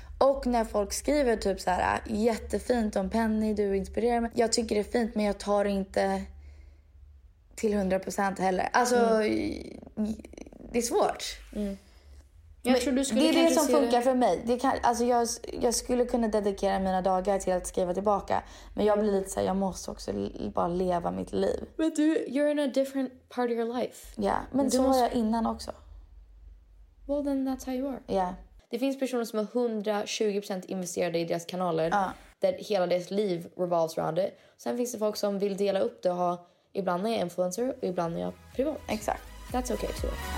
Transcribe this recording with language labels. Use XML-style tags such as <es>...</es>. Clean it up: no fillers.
<sv>Och när folk skriver typ så här, jättefint om Penny, du inspirerar mig. Jag tycker det är fint, men jag tar inte till 100% heller. Alltså, mm. det är svårt. Mm. Jag tror du skulle, det är det som funkar det. För mig det kan, alltså jag skulle kunna dedikera mina dagar till att skriva tillbaka. Men jag blir lite så här, jag måste också bara leva mitt liv. Men du,</sv> <en>you're in a different part of your life.</en> <sv>Ja, yeah, men du så måste... var jag innan också.</sv> <en>Well then that's how you are. Ja, yeah.</en> <sv>Det finns personer som är 120% investerade i deras kanaler, där hela deras liv</sv> <en>revolves around it.</en> <sv>Sen finns det folk som vill dela upp det och ha, ibland är jag influencer och ibland är jag privat. Exakt.</sv> <en>That's okay too.</en>